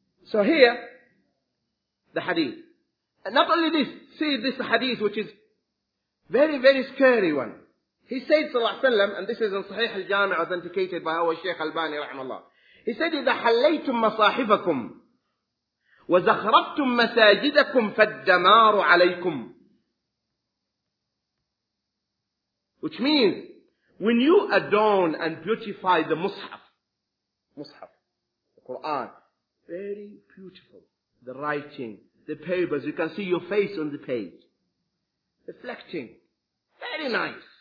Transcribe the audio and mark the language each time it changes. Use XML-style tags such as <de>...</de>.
<en>So here, the hadith. And not only this, see this hadith which is very, very scary one. He said, sallallahu alayhi wa sallam, and this is in Sahih al-Jami' authenticated by our Shaykh al-Bani, rahimahullah.</en> <ar>He said, إِذَا حَلَّيْتُم مَصَاحِفَكُمْ وَزَخْرَبْتُم مَسَاجِدَكُمْ فَالدَّمَارُ عَلَيْكُمْ.</ar> <en>Which means, when you adorn and beautify the Mus'haf, the Qur'an, very beautiful. The writing, the papers, you can see your face on the page. Reflecting. Very nice.</en>